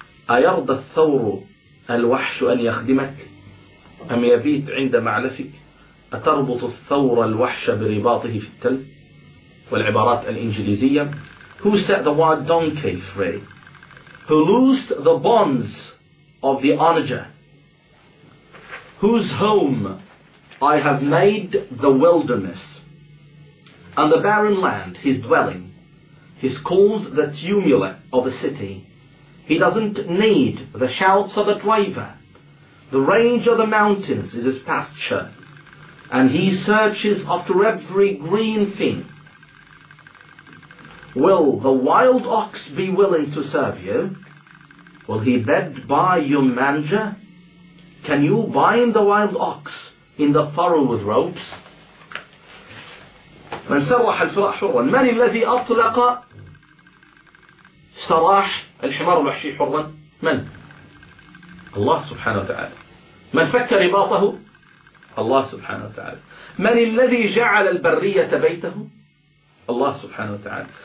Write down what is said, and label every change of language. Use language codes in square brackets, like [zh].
[ar] أيرضى الثور الوحش أن يخدمك؟ أم يبيت عند معلفك؟ أتربط الثور الوحش برباطه في التل؟ والعبارات الإنجليزية: [en] Who set the wild donkey free? Who loosed the bonds of the onager? Whose home I have made the wilderness and the barren land his dwelling? His calls the tumult of the city. He doesn't need the shouts of the driver. The range of the mountains is his pasture. And he searches after every green thing. Will the wild ox be willing to serve you? Will he bed by your manger? Can you bind the wild ox in the furrow with ropes? [ar] من سرح الفراء حرا، من الذي أطلق سراح الحمار الوحشي حرا؟ من؟ الله سبحانه وتعالى. من فك رباطه؟ الله سبحانه وتعالى. من الذي جعل البرية بيته؟ الله سبحانه وتعالى.